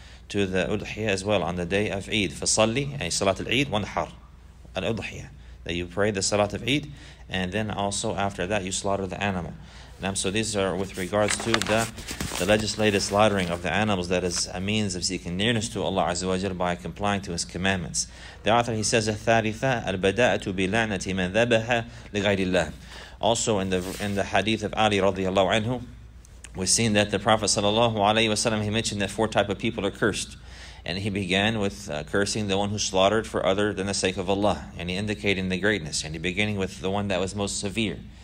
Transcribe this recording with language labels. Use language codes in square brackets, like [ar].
[en] To the ulhiyah as well on the day of Eid. [ar] فَصَلِّ, [en] salat al-Eid, [ar] وَانْحَرْ, [en] al-udhiyah. That you pray the salat of Eid, and then also after that you slaughter the animal. Now, so these are with regards to the legislated slaughtering of the animals, that is a means of seeking nearness to Allah Azza wa Jalla by complying to His commandments. [ar] The author, he says, الثالثة البداءة بلعنة من ذبح لغير الله. [en] Also in the hadith of Ali radiallahu anhu, we've seen that the Prophet sallallahu alayhi wa sallam, he mentioned that four type of people are cursed. And he began with cursing the one who slaughtered for other than the sake of Allah, and he indicating the greatness, and he beginning with the one that was most severe.